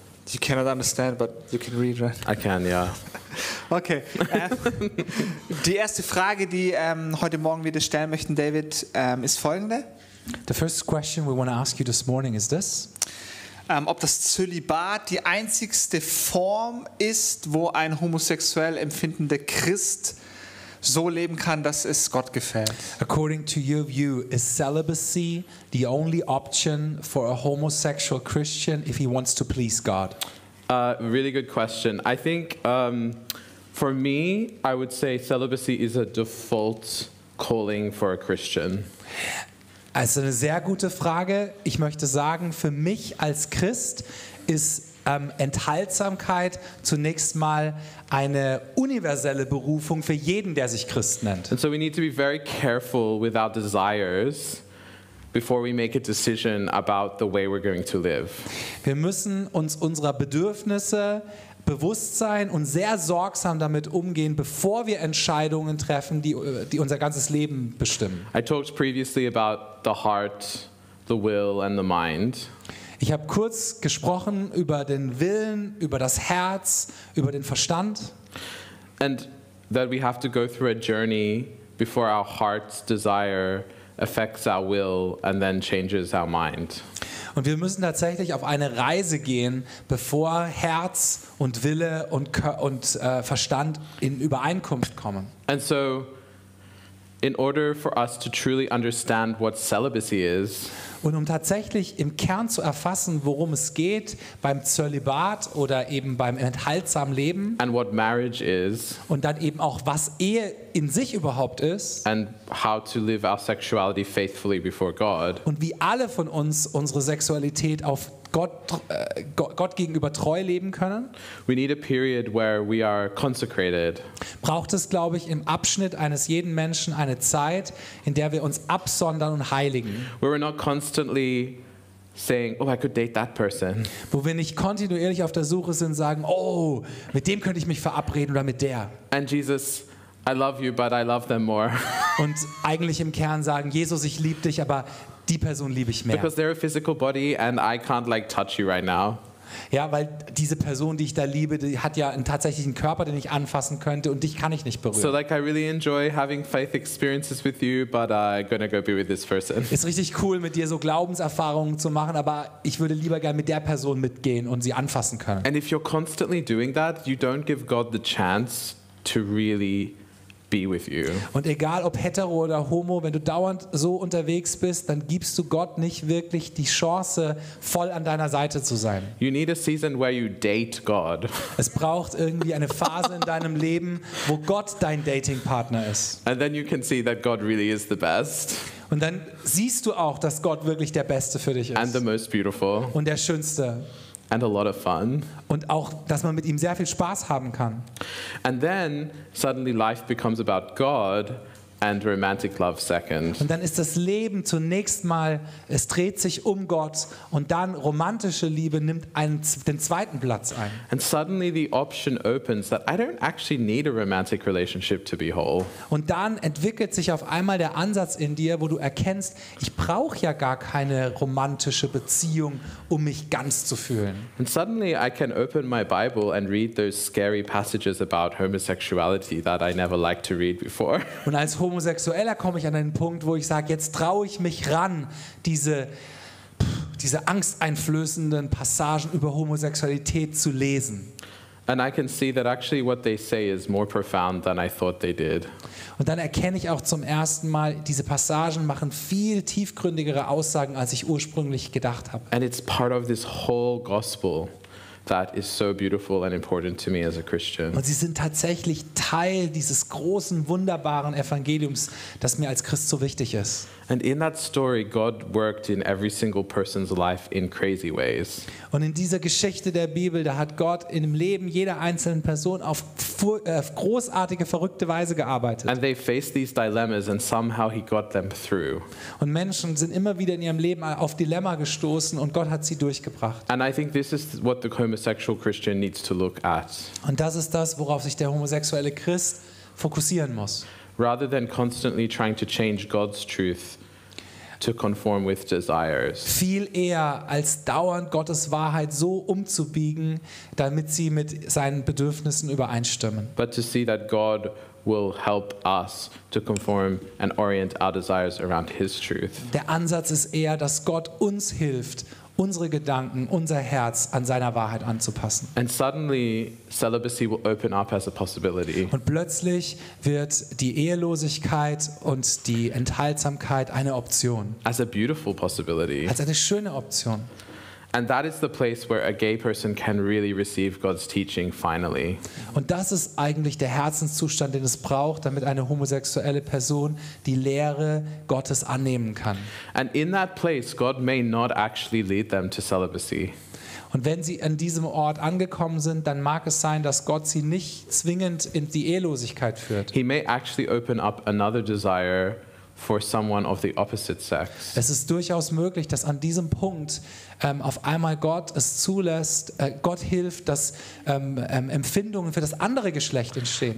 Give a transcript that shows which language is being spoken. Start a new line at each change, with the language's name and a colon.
English: You cannot understand, but you can read, right? I can, yeah. Okay.
German: Die erste Frage, die heute Morgen wir dir stellen möchten, David, ist folgende.
English: The first question we want to ask you this morning is this.
German: Ob das Zölibat die einzigste Form ist, wo ein homosexuell empfindender Christ so leben kann, dass es Gott gefällt.
English: According to your view, is celibacy the only option for a homosexual Christian if he wants to please God? Really good question. I think for me, I would say celibacy is a default calling for a Christian.
German: Also eine sehr gute Frage. Ich möchte sagen, für mich als Christ ist Enthaltsamkeit zunächst mal eine universelle Berufung für jeden, der sich Christ nennt.
English: And so we need to be very careful with our desires before we make a decision about the way we're going to live.
German: Wir müssen uns unserer Bedürfnisse bewusst sein und sehr sorgsam damit umgehen, bevor wir Entscheidungen treffen, die unser ganzes Leben bestimmen.
English: I talked previously about the heart, the will and the mind.
German: Ich habe kurz gesprochen über den Willen, über das Herz, über den Verstand.
English: And that we have to go through a journey before our heart's desire affects our will and then changes our mind.
German: Und wir müssen tatsächlich auf eine Reise gehen, bevor Herz und Wille und Verstand in Übereinkunft kommen.
English: And so in order for us to truly understand what celibacy is,
German: und um tatsächlich im Kern zu erfassen, worum es geht beim Zölibat oder eben beim enthaltsamen Leben,
English: and what marriage is,
German: und dann eben auch, was Ehe in sich überhaupt ist,
English: and how to live our sexuality faithfully before God,
German: und wie alle von uns unsere Sexualität auf Gott gegenüber treu leben können,
English: we need a period where we are consecrated.
German: Braucht es, glaube ich, im Abschnitt eines jeden Menschen eine Zeit, in der wir uns absondern und heiligen.
English: We're not constantly saying, oh, I could date that person.
German: Wo wir nicht kontinuierlich auf der Suche sind, sagen, oh, mit dem könnte ich mich verabreden oder mit der.
English: And Jesus, I love you, but I love them more.
German: Und eigentlich im Kern sagen, Jesus, ich liebe dich, aber die Person liebe ich mehr.
English: Because they're a physical body and I can't like touch you right now.
German: Ja, weil diese Person, die ich da liebe, die hat ja einen tatsächlichen Körper, den ich anfassen könnte und dich kann ich nicht berühren.
English: So like I really enjoy having faith experiences with you, but I'm gonna go be with this person.
German: Ist richtig cool, mit dir so Glaubenserfahrungen zu machen, aber ich würde lieber gerne mit der Person mitgehen und sie anfassen können.
English: And if you're constantly doing that, you don't give God the chance to really be with you.
German: Und egal ob hetero oder homo, wenn du dauernd so unterwegs bist, dann gibst du Gott nicht wirklich die Chance, voll an deiner Seite zu sein.
English: You need a season where you date God.
German: Es braucht irgendwie eine Phase in deinem Leben, wo Gott dein Datingpartner ist.
English: And then you can see that God really is the best.
German: Und dann siehst du auch, dass Gott wirklich der Beste für dich ist.
English: And the most beautiful.
German: Und der Schönste.
English: And a lot of fun.
German: Und auch, dass man mit ihm sehr viel Spaß haben kann.
English: And then suddenly life becomes about God and romantic love second.
German: Und dann ist das Leben zunächst mal, es dreht sich um Gott und dann romantische Liebe nimmt den zweiten Platz ein.
English: And suddenly the option opens that I don't actually need a romantic relationship to be whole.
German: Und dann entwickelt sich auf einmal der Ansatz in dir, wo du erkennst, ich brauche ja gar keine romantische Beziehung, um mich ganz zu fühlen.
English: And suddenly I can open my Bible and read those scary passages about homosexuality that I never liked to read before.
German: Und als Homosexueller komme ich an einen Punkt, wo ich sage, jetzt traue ich mich ran, diese angsteinflößenden Passagen über Homosexualität zu lesen.
English: And I can see that actually what they say is more profound than I thought they did.
German: Und dann erkenne ich auch zum ersten Mal, diese Passagen machen viel tiefgründigere Aussagen, als ich ursprünglich gedacht habe.
English: And it's part of this whole gospel that is so beautiful and important to me as a Christian.
German: Und sie sind tatsächlich Teil dieses großen, wunderbaren Evangeliums, das mir als Christ so wichtig ist.
English: And in that story, God worked in every single person's life in crazy ways.
German: Und in dieser Geschichte der Bibel, da hat Gott in dem Leben jeder einzelnen Person auf großartige, verrückte Weise gearbeitet.
English: And they faced these dilemmas and somehow he got them through.
German: Und Menschen sind immer wieder in ihrem Leben auf Dilemma gestoßen und Gott hat sie durchgebracht.
English: And I think this is what the homosexual Christian needs to look at.
German: Und das ist das, worauf sich der homosexuelle Christ fokussieren muss.
English: Rather than constantly trying to change God's truth to conform with desires.
German: Viel eher als dauernd Gottes Wahrheit so umzubiegen, damit sie mit seinen Bedürfnissen übereinstimmen.
English: But to see that God will help us to conform and orient our desires around his truth.
German: Der Ansatz ist eher, dass Gott uns hilft, unsere Gedanken, unser Herz an seiner Wahrheit anzupassen.
English: And suddenly celibacy will open up as a possibility.
German: Und plötzlich wird die Ehelosigkeit und die Enthaltsamkeit eine Option.
English: As a beautiful possibility.
German: Als eine schöne Option.
English: And that is the place where a gay person can really receive God's teaching finally.
German: Und das ist eigentlich der Herzenszustand, den es braucht, damit eine homosexuelle Person die Lehre Gottes annehmen kann.
English: And in that place God may not actually lead them to celibacy.
German: Und wenn sie an diesem Ort angekommen sind, dann mag es sein, dass Gott sie nicht zwingend in die Ehelosigkeit führt.
English: He may actually open up another desire for someone of the opposite sex.
German: Es ist durchaus möglich, dass an diesem Punkt auf einmal Gott es zulässt, Gott hilft, dass Empfindungen für das andere Geschlecht entstehen.